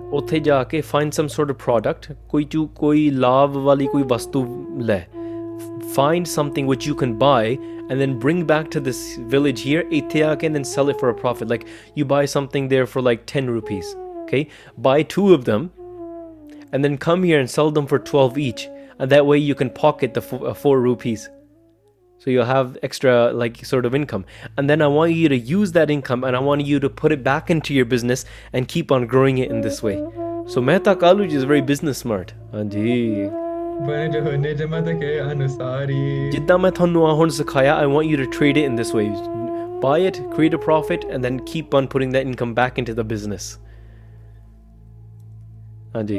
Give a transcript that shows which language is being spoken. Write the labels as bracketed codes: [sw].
[pa] ਉੱਥੇ ਜਾ ਕੇ [en] find some sort of product, [pa] ਕੋਈ ਲਾਭ ਵਾਲੀ ਕੋਈ ਵਸਤੂ ਲੈ. [en] find something which you can buy and then bring back to this village here, Ithyak, and then sell it for a profit. Like you buy something there for like 10 rupees. Okay, buy two of them and then come here and sell them for 12 each. And that way you can pocket the 4 rupees. So you'll have extra like sort of income. And then I want you to use that income and I want you to put it back into your business and keep on growing it in this way. So Mehta Kaluji is very business smart. Anji. [pa] ਜਿੱਦਾਂ ਮੈਂ ਤੁਹਾਨੂੰ ਆ ਹੁਣ ਸਿਖਾਇਆ [en] I want you to trade it in this way buy it create a profit and then keep on putting that income back into the business ਹਾਂਜੀ